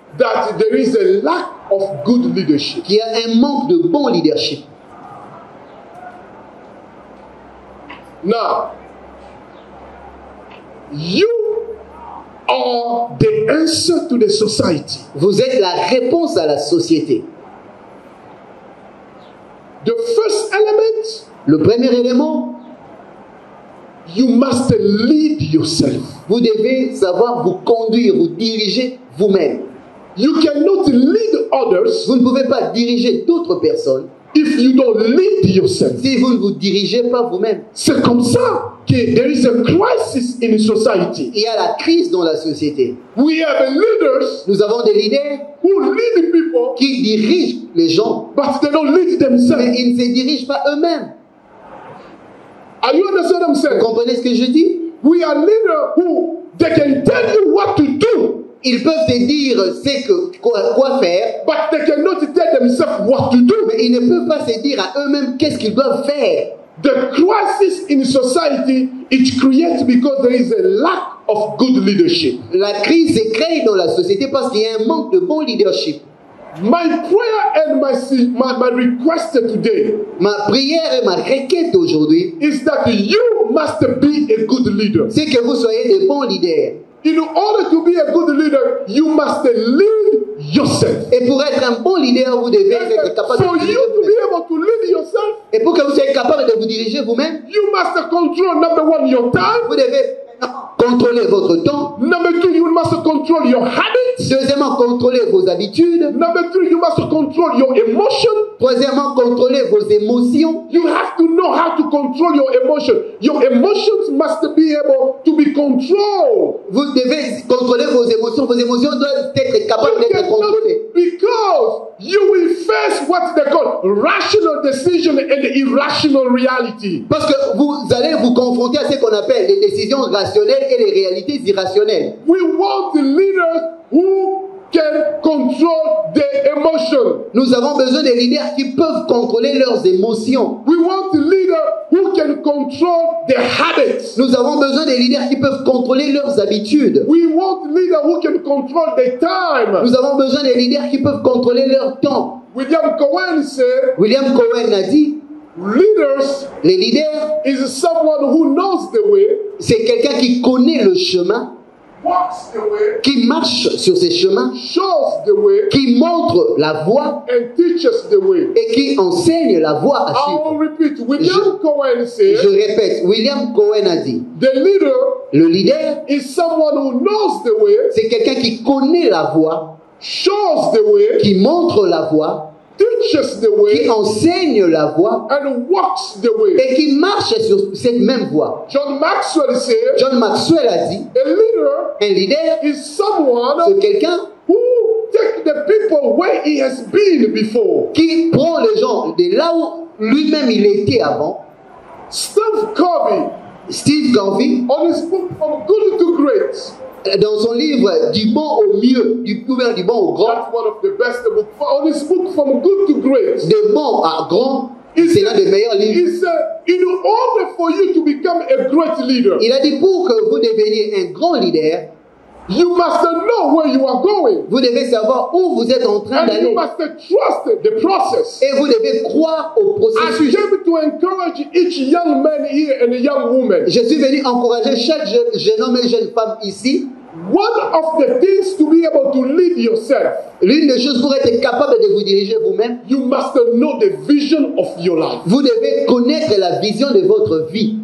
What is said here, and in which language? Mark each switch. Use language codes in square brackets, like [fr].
[en] that there is a lack of good leadership. [fr] Qu'il y a un manque de bon leadership. [en] Now, you are the answer to the society. [fr] Vous êtes la réponse à la société. [en] The first element, [fr] le premier élément, [en] you must lead yourself. [fr] Vous devez savoir vous conduire, vous diriger vous-même. [en] You cannot lead others. [fr] Vous ne pouvez pas diriger d'autres personnes. [en] If you don't lead yourself, [fr] si vous ne vous dirigez pas vous-même, c'est comme ça que [en] there is a crisis in society. [fr] Il y a la crise dans la société. [en] We have leaders. [fr] Nous avons des leaders [en] who lead people, [fr] qui dirigent les gens, [en] but they don't lead themselves. [fr] Mais ils ne se dirigent pas eux-mêmes. [en] Are you understand what I'm saying? [fr] Vous comprenez ce que je dis? [en] We are leaders who they can tell you what to do. [fr] Ils peuvent te dire ce que quoi faire, [en] but they cannot tell themselves what to do. [fr] Mais ils ne peuvent pas se dire à eux-mêmes qu'est-ce qu'ils doivent faire. [en] The crisis in society is created because there is a lack of good leadership. [fr] La crise est créée dans la société parce qu'il y a un manque de bon leadership. [en] My prayer and my request today. [fr] Ma prière et ma requête aujourd'hui [en] is that you must be a good leader. [fr] C'est que vous soyez des bons leaders. [en] In order to be a good leader, you must lead yourself. [fr] Et pour être un bon leader, vous devez être capable de diriger vous-même. [en] For you to be able to lead yourself, [fr] et pour que vous soyez capable de vous diriger vous-même, [en] you must control number one your time. [fr] Vous devez contrôler votre temps. [en] Number two, you must control your habits. [fr] Deuxièmement, contrôler vos habitudes. [en] Number three, you must control your emotions. [fr] Troisièmement, contrôler vos émotions. [en] You have to know how to control your emotions. Your emotions must be able to be controlled. [fr] Vous devez contrôler vos émotions. Vos émotions doivent être capables d'être contrôlées. [en] Because you will face what they call rational decision and irrational reality. [fr] Parce que vous allez vous confronter à ce qu'on appelle les décisions rationnelles et les réalités irrationnelles. [en] We want leaders who can control their emotions. [fr] Nous avons besoin de leaders qui peuvent contrôler leurs émotions. [en] We want leaders who can control their habits. [fr] Nous avons besoin de leaders qui peuvent contrôler leurs habitudes. [en] We want leaders who can control their time. [fr] Nous avons besoin de leaders qui peuvent contrôler leur temps. [en] William Cowen said. [fr] William Cowen a dit. [en] Leaders. [fr] Les leaders. [en] Is someone who knows the way. [fr] C'est quelqu'un qui connaît le chemin. [en] Walks the way. [fr] Qui marche sur ses chemins. [en] Shows the way. [fr] Qui montre la voie. [en] And teaches the way. [fr] Et qui enseigne la voie à suivre. [en] I will repeat. William Cowen said. [fr] Je répète. William Cowen a dit. [en] The leader. [fr] Le leader. [en] Is someone who knows the way. [fr] C'est quelqu'un qui connaît la voie. [en] Shows the way. [fr] Qui montre la voie. [en] Teaches the way, [fr] qui enseigne la voie, [en] and walks the way, [fr] et qui marche sur cette même voie. [en] John Maxwell said, [fr] John Maxwell a dit, [en] a leader, [fr] un leader, [en] is someone, [fr] c'est quelqu'un, [en] who take the people where he has been before, [fr] qui prend les gens de là où lui-même il était avant. [en] Steve Covey, on his book From Good to Great. [fr] Dans son livre Du bon au mieux, du plus bien du bon au grand. [en] That's one of the best books. On his book From Good to Great. [fr] De bon à grand. C'est l'un des meilleurs livres. [en] He said, in order for you to become a great leader. [fr] Il a dit pour que vous deveniez un grand leader. [en] You must know where you are going. [fr] Vous devez savoir où vous êtes en train [en] and [fr] d'aller. [en] You must trust the process. [fr] Et vous devez croire au processus. [en] I came to encourage each young man here and a young woman. [fr] Je suis venu encourager chaque jeune homme et jeune femme ici. [en] One of the things to be able to lead yourself. [fr] L'une des choses pour être capable de vous diriger vous-même. [en] You must know the vision of your life. [fr] Vous devez connaître la vision de votre vie.